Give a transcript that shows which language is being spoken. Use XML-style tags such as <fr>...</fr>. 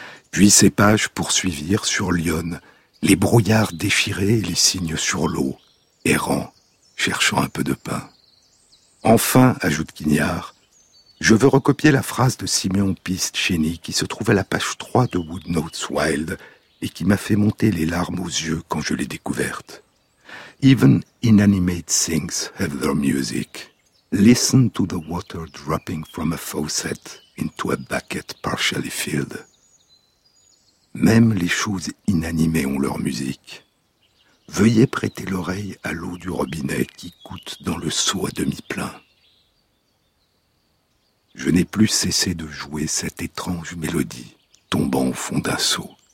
<fr>Puis ces pages poursuivirent sur Lyon, les brouillards déchirés et les cygnes sur l'eau, errant, cherchant un peu de pain. Enfin, ajoute Quignard, je veux recopier la phrase de Siméon Piscini qui se trouve à la page 3 de Woodnotes Wild et qui m'a fait monter les larmes aux yeux quand je l'ai découverte.</fr> <en>Even inanimate things have their music. Listen to the water dropping from a faucet into a bucket partially filled.</en> <fr>Même les choses inanimées ont leur musique. Veuillez prêter l'oreille à l'eau du robinet qui coule dans le seau à demi plein. Je n'ai plus cessé de jouer cette étrange mélodie, tombant au fond d'un seau.</fr>